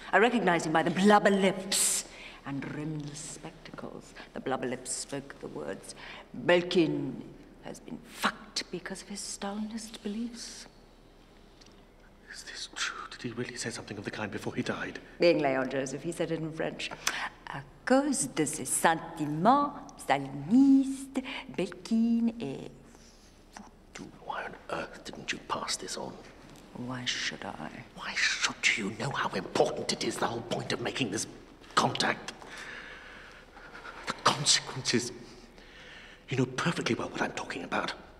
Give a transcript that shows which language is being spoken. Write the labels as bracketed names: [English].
[English] I recognized him by the blubber lips and rimless spectacles. The blubber lips spoke the words, Belkin has been fucked because of his Stalinist beliefs. Is this true? Did he really say something of the kind before he died? Being Leon Joseph, he said it in French. [French] À cause de ses sentiments stalinistes, Belkin et foutu. [English] Why on earth didn't you pass this on? Why should I? Why should you know how important it is, the whole point of making this contact? The consequences. You know perfectly well what I'm talking about.